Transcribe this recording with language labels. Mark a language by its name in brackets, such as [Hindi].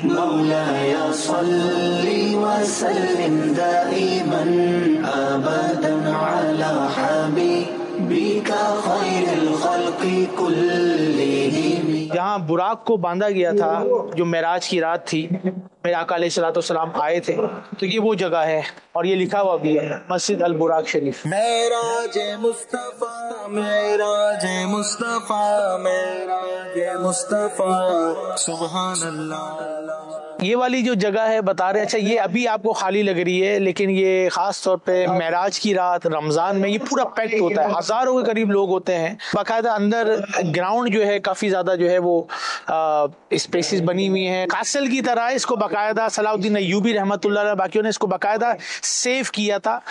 [Arabic] مولا یا صلی وسلم دائماً آباداً علی حبیبک خیر الخلق کلہم. [Urdu] جہاں براق کو باندھا گیا تھا جو معراج کی رات تھی, میرے آقا علیہ الصلوۃ والسلام آئے تھے, تو یہ وہ جگہ ہے اور یہ لکھا ہوا بھی ہے مسجد البراق شریف. معراج مصطفیٰ, معراج مصطفیٰ, معراج مصطفیٰ, سبحان اللہ. یہ والی جو جگہ ہے بتا رہے ہیں, اچھا یہ ابھی آپ کو خالی لگ رہی ہے, لیکن یہ خاص طور پہ معراج کی رات رمضان میں یہ پورا پیکڈ ہوتا ہے, ہزاروں کے قریب لوگ ہوتے ہیں. باقاعدہ اندر گراؤنڈ جو ہے کافی زیادہ جو ہے وہ اسپیسز بنی ہوئی ہیں, کاسل کی طرح اس کو باقاعدہ صلاح الدین ایوبی رحمتہ اللہ علیہ باقیوں نے اس کو باقاعدہ سیف کیا تھا.